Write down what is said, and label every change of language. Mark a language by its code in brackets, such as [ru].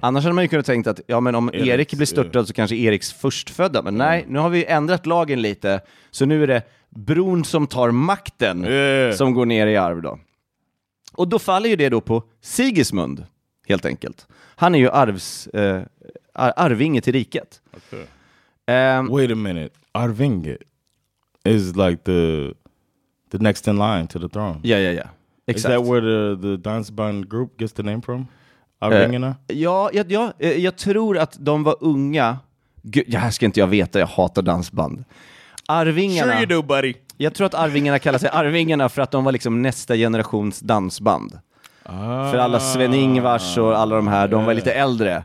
[sv] Annars hade man ju kunnat tänkt att ja, men om Erik blir störtad så kanske Eriks förstfödda. Men nej, nu har vi ändrat lagen lite. Så nu är det bron som tar makten som går ner i arv då. Och då faller ju det då på Sigismund, helt enkelt. Han är ju arvinge till riket. [en] Okay. Wait a minute. Arvinge is like the next in line to the throne. [sv] Ja, ja, ja. Exakt. [en] Is that where the dance band group gets the name from? [sv] Arvingarna? Ja, jag tror att de var unga. Gud, det här ska inte jag veta. Jag hatar dansband. Arvingarna. [en] Sure you do, buddy. [sv] Jag tror att arvingarna kallar sig arvingarna för att de var liksom nästa generations dansband. Ah, för alla Sven-Ingvars och alla de här, de var lite äldre.